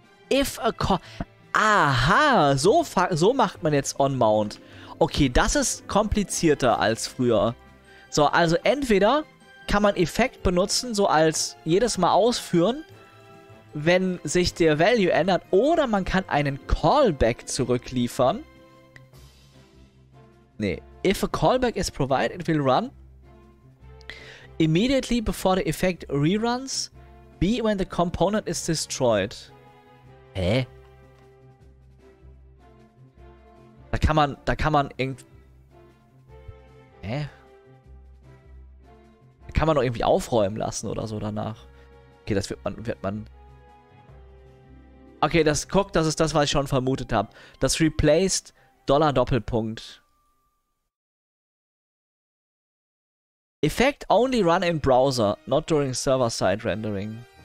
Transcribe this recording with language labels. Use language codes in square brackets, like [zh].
[en] If a co [de] Aha, so macht man jetzt [en] on mount. [de] Okay, das ist komplizierter als früher. So, also entweder kann man Effekt benutzen, so als jedes Mal ausführen, wenn sich der Value ändert, oder man kann einen Callback zurückliefern. Nee, [en] if a callback is provided, it will run immediately before the effect reruns, be when the component is destroyed. [de] Hä? Da kann man irgendwie. Hä? Da kann man doch irgendwie aufräumen lassen oder so danach. Okay, das wird man. Okay, das guckt, das ist das, was ich schon vermutet habe. Das replaced Dollar Doppelpunkt. [en] Effect only run in browser, not during server-side rendering.